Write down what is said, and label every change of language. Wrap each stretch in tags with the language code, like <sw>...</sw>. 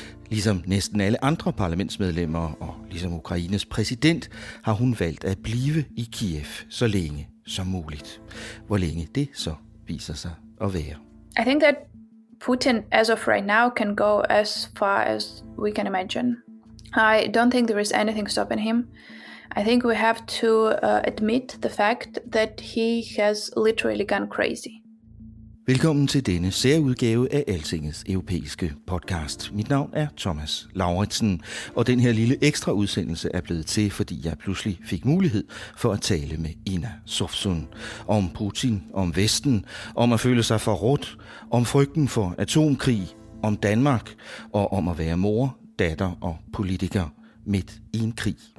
<da>Ligesom næsten alle andre parlamentsmedlemmer og ligesom Ukraines præsident, har hun valgt at blive i Kiev så længe som muligt. Hvor længe det så viser sig at være.</da> <en>I think that Putin as of right now can go as far as we can imagine. I don't think there is anything stopping him. I think we have to admit the fact that he has literally gone crazy.</en> <da>Velkommen til denne særudgave af Altingets europæiske podcast. Mit navn er Thomas Lauritsen, og den her lille ekstra udsendelse er blevet til, fordi jeg pludselig fik mulighed for at tale med Ina Sovsun om Putin, om Vesten, om at føle sig forrådt, om frygten for atomkrig, om Danmark og om at være mor, datter og politiker midt i en krig.</da>